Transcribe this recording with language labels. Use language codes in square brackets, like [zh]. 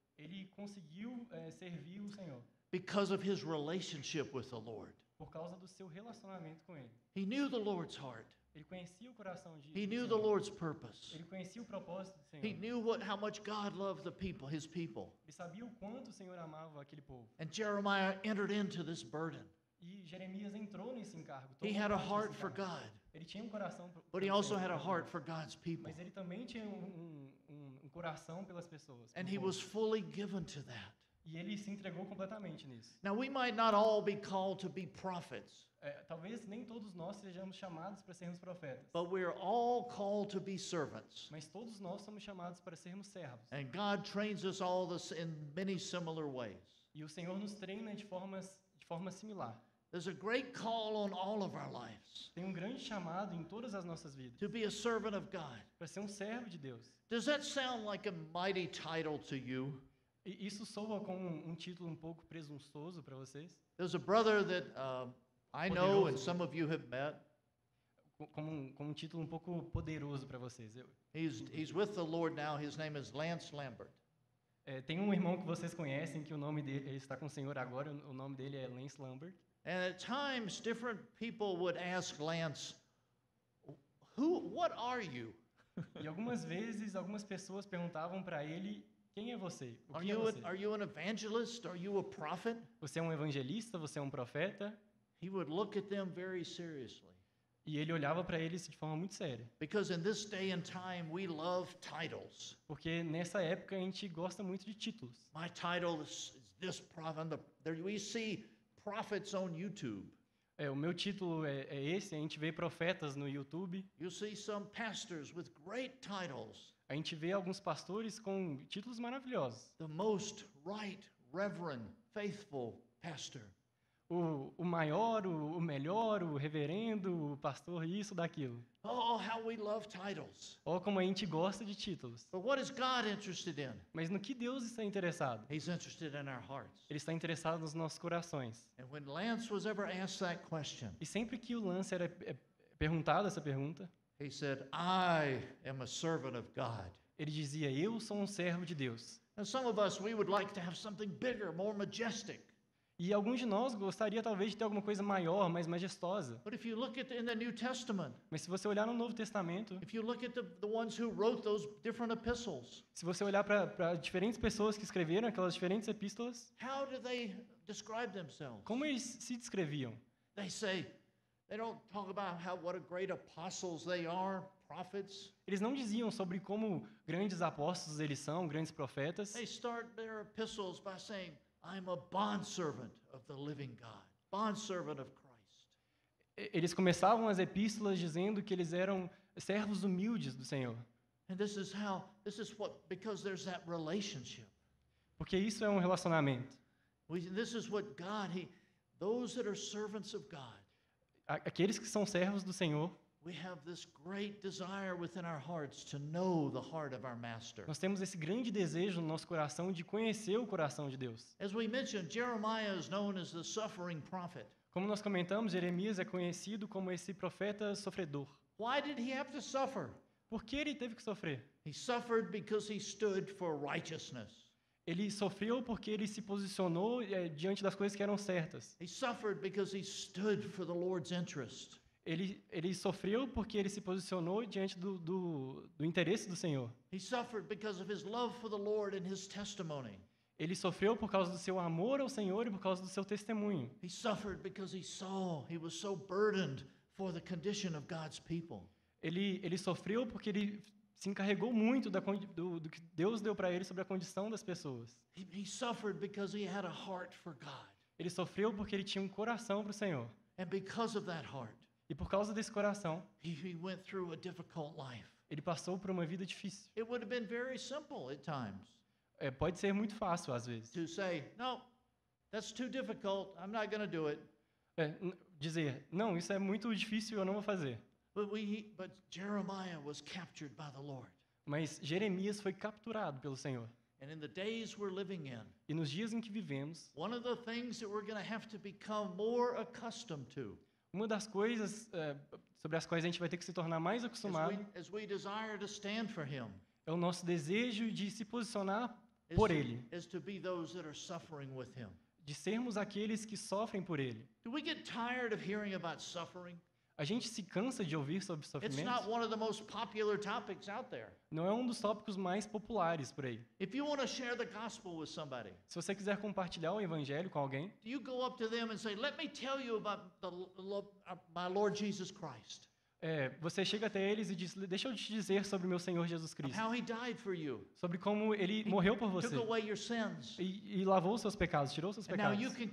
[pt] Ele conseguiu servir o Senhor. [en] Because of his relationship with the Lord. [pt] Por causa do seu relacionamento com ele. [en] He knew the Lord's heart. [pt] Ele conhecia o coração de Deus. [en] He knew the Lord's purpose. [pt] Ele conhecia o propósito do Senhor. [en] He knew how much God loved the people, his people. [pt] Ele sabia o quanto o Senhor amava aquele povo. [en] And Jeremiah entered into this burden. [pt] E Jeremias entrou nesse encargo. [en] He had a heart for God. [pt] Ele tinha um coração para [en] But he also had a heart for God's people. [pt] Mas ele também tinha um coração pelas pessoas. [en] And he was fully given to that. [pt] E ele se entregou completamente nisso. [en] Now we might not all be called to be prophets. [pt] Talvez nem todos nós sejamos chamados para sermos profetas. [en] But we are all called to be servants. [pt] Mas todos nós somos chamados para sermos servos. [en] And God trains us all this in many similar ways. [pt] E o Senhor nos treina de forma similar. [en] There's a great call on all of our lives. [pt] Tem grande chamado em todas as nossas vidas. [en] To be a servant of God. [pt] Para ser servo de Deus. [en] Does that sound like a mighty title to you? [pt] Isso soa como título pouco presunçoso para vocês? [en] There's a brother that I know and some of you have met. [pt] Como título pouco poderoso para vocês. [en] He's with the Lord now. His name is Lance Lambert. [pt] Tem irmão que vocês conhecem que o nome dele está com o Senhor agora. O nome dele é Lance Lambert. [en] And at times, different people would ask Lance, "Who? What are you?" [pt] E algumas vezes, algumas pessoas perguntavam para ele, "Quem é você? [en] Are you an evangelist? Are you a prophet?" [pt] Você é evangelista? Você é profeta? [en] He would look at them very seriously. [pt] E ele olhava para eles de forma muito séria. [en] Because in this day and time, we love titles. [pt] Porque nessa época a gente gosta muito de títulos. [en] My title is this prophet. There we see. Prophets on YouTube. [pt] O meu título é esse. A gente vê profetas no YouTube. [en] You see some pastors with great titles. [pt] A gente vê alguns pastores com títulos maravilhosos. [en] The most right, reverend, faithful pastor. [pt] O maior, o melhor, o reverendo, o pastor isso daquilo. [en] Oh, how we love titles. [pt] Oh, como a gente gosta de títulos. [en] But what is God interested in? [pt] Mas no que Deus está interessado? [en] He's interested in our hearts. [pt] Ele está interessado nos nossos corações. [en] And when Lance was ever asked that question, [pt] e sempre que o Lance era perguntado essa pergunta, [en] he said, I am a servant of God. [pt] Ele dizia, eu sou servo de Deus. [en] And some of us, we would like to have something bigger, more majestic. [pt] E alguns de nós gostaria talvez de ter alguma coisa maior, mais majestosa. [en] But if you look at in the New Testament, [pt] mas se você olhar no Novo Testamento, [en] if you look at the ones who wrote those different epistles, [pt] se você olhar para diferentes pessoas que escreveram aquelas diferentes epístolas, [en] how do they describe themselves? [pt] Como eles se descreviam? [en] They say, they don't talk about what a great apostles they are, prophets. [pt] Eles não diziam sobre como grandes apóstolos eles são, grandes profetas. [en] They start their epistles by saying, I'm a bondservant of the living God, bondservant of Christ. [pt] Eles começavam as epístolas dizendo que eles eram servos humildes do Senhor. [en] And this is how, this is what, because there's that relationship. [pt] Porque isso é relacionamento. [en] This is what God, those that are servants of God. [pt] Aqueles que são servos do Senhor. [en] We have this great desire within our hearts to know the heart of our master. [pt] Nós temos esse grande desejo no nosso coração de conhecer o coração de Deus. [en] As we mentioned, Jeremiah is known as the suffering prophet. [pt] Como nós comentamos, Jeremias é conhecido como esse profeta sofredor. [en] Why did he have to suffer? [pt] Por que ele teve que sofrer? [en] He suffered because he stood for righteousness. [pt] Ele sofreu porque ele se posicionou diante das coisas que eram certas. [en] He suffered because he stood for the Lord's interest. [pt] Ele sofreu porque ele se posicionou diante do interesse do Senhor. [en] He suffered because of his love for the Lord and his testimony. [pt] Ele sofreu por causa do seu amor ao Senhor e por causa do seu testemunho. [en] He suffered because he saw he was so burdened for the condition of God's people. [pt] Ele sofreu porque ele se encarregou muito do que Deus deu para ele sobre a condição das pessoas. [en] He suffered because he had a heart for God. [pt] Ele sofreu porque ele tinha coração para o Senhor. [en] And because of that heart, [pt] e por causa desse coração, [en] he went through a difficult life. [pt] Ele passou por uma vida difícil. [en] It would have been very simple at times. [pt] Pode ser muito fácil às vezes. [en] To say, no, that's too difficult. I'm not going to do it. [pt] Dizer, não, isso é muito difícil. Eu não vou fazer. [en] But Jeremiah was captured by the Lord. [pt] Mas Jeremias foi capturado pelo Senhor. [en] And in the days we're living in, [pt] e nos dias em que vivemos, [en] one of the things that we're going to have to become more accustomed to. [pt] Uma das coisas sobre as quais a gente vai ter que se tornar mais acostumado [en] as we desire to stand for him, [pt] é o nosso desejo de se posicionar por ele. [en] Is to be those that are suffering with him. [pt] De sermos aqueles que sofrem por ele. [en] Do we get tired of hearing about suffering? [pt] A gente se cansa de ouvir sobre sofrimento. [en] It's not one of the most popular topics out there. [pt] Não é dos tópicos mais populares por aí. [en] If you want to share the gospel with somebody, [pt] se você quiser compartilhar o evangelho com alguém, [en] do you go up to them and say, "Let me tell you about my Lord Jesus Christ"? [pt] Você chega até eles e diz, deixa eu te dizer sobre o meu Senhor Jesus Cristo. Sobre como Ele morreu por você. E lavou os seus pecados, tirou os seus pecados.